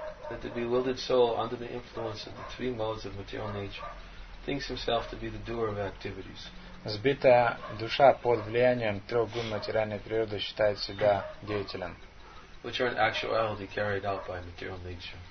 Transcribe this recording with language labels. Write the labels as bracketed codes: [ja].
[en] That the bewildered soul, under the influence of the three modes of material nature, thinks himself to be the doer of activities. [ru] Сбитая душа под влиянием трех гун материальной природы считает себя деятелем. [en] Which are in actuality carried out by material nature.